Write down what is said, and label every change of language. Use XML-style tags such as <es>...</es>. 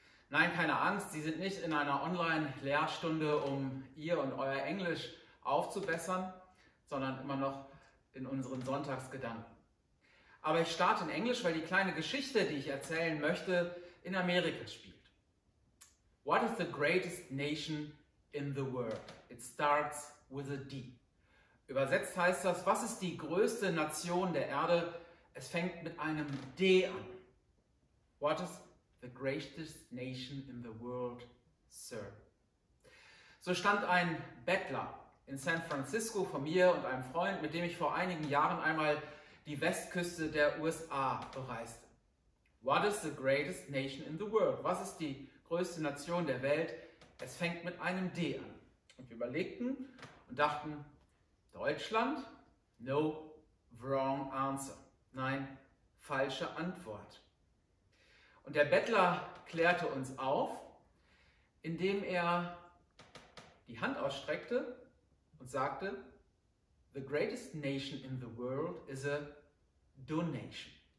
<de>Nein, keine Angst, Sie sind nicht in einer Online-Lehrstunde, um Ihr und Euer Englisch aufzubessern, sondern immer noch in unseren Sonntagsgedanken. Aber ich starte in Englisch, weil die kleine Geschichte, die ich erzählen möchte, in Amerika spielt.</de> <en>What is the greatest nation in the world? It starts with a D.</en> <de>Übersetzt heißt das, was ist die größte Nation der Erde? Es fängt mit einem D an.</de> <en>What is the greatest nation in the world, sir?</en> <de>So stand ein Bettler in San Francisco vor mir und einem Freund, mit dem ich vor einigen Jahren einmal die Westküste der USA bereiste.</de> <en>What is the greatest nation in the world?</en> <de>Was ist die größte Nation der Welt? Es fängt mit einem D an. Und wir überlegten und dachten, Deutschland?</de> <en>No, wrong answer.</en> <de>Nein, falsche Antwort. Und der Bettler klärte uns auf, indem er die Hand ausstreckte und sagte,</de> <en>the greatest nation in the world is a donation.</en>